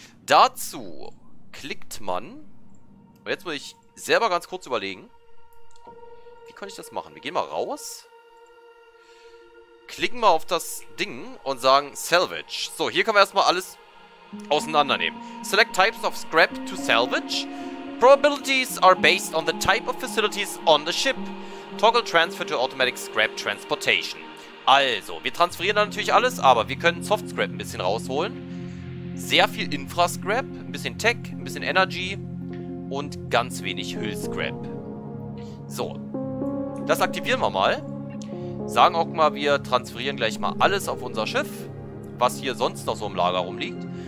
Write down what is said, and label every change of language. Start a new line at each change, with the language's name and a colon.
German: Dazu klickt man, und jetzt muss ich selber ganz kurz überlegen, wie kann ich das machen? Wir gehen mal raus, klicken mal auf das Ding und sagen Salvage. So, hier können wir erstmal alles auseinandernehmen.
English: Select types of scrap to salvage. Probabilities are based on the type of facilities on the ship. Toggle transfer to automatic scrap transportation.
German: Also, wir transferieren dann natürlich alles, aber wir können Soft Scrap ein bisschen rausholen. Sehr viel Infra Scrap, ein bisschen Tech, ein bisschen Energy und ganz wenig Hull Scrap. So, das aktivieren wir mal. Sagen auch mal, wir transferieren gleich mal alles auf unser Schiff, was hier sonst noch so im Lager rumliegt.